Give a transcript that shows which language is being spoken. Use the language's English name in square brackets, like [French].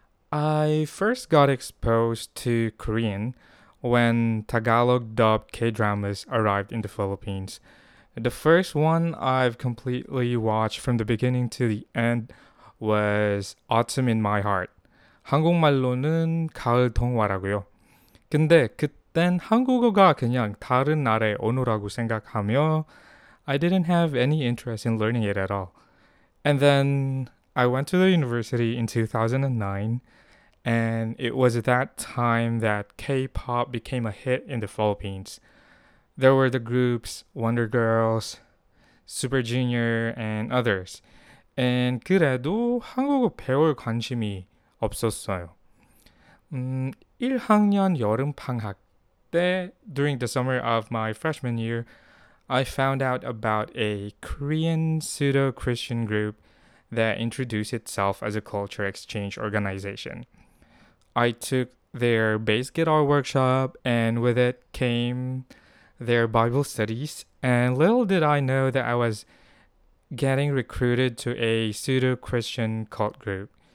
[English] I first got exposed to Korean when Tagalog dubbed K-dramas arrived in the Philippines. The first one I've completely watched from the beginning to the end was Autumn in My Heart. [Korean] 한국말로는 가을 동화라고요. 근데 그땐 한국어가 그냥 다른 나라의 언어라고 생각하며 [English] I didn't have any interest in learning it at all. And then I went to the university in 2009. And it was at that time that K-pop became a hit in the Philippines. There were the groups Wonder Girls, Super Junior, and others. [Korean] And 그래도 한국어 배울 관심이 없었어요. 1학년 여름 방학 때, [English] during the summer of my freshman year, I found out about a Korean pseudo-Christian group that introduced itself as a culture exchange organization. I took their bass guitar workshop, and with it came their Bible studies, and little did I know that I was getting recruited to a pseudo-Christian cult group.